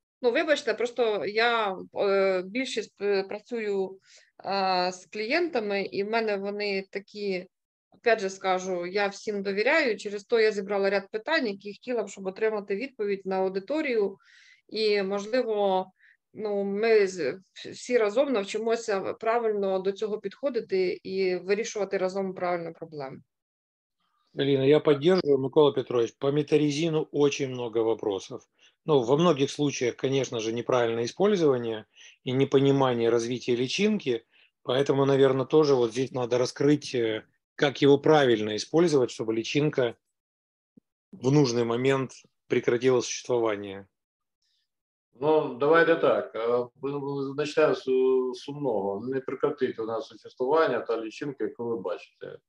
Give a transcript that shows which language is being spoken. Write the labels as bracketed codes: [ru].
[uk] Ну, вибачте, просто я більшість працюю з клієнтами, і в мене вони такі, [ru] опять же скажу, [uk] я всім довіряю, через то я зібрала ряд питань, які хотіла б, щоб отримати відповідь на аудиторію. І, можливо, ну, ми всі разом навчимося правильно до цього підходити і вирішувати разом правильно проблему. Галина, я підтримую, Микола Петрович, по метаризину дуже багато питань. [ru] Ну, во многих случаях, конечно же, неправильне використання і непонимание развития личинки, поэтому, наверное, тоже вот здесь надо раскрыть, как его правильно использовать, чтобы личинка в нужный момент прекратила существование. [uk] Ну, давайте так. Почнемо з сумного. Не прекратить у нас існування та лічинки, яку ви бачите.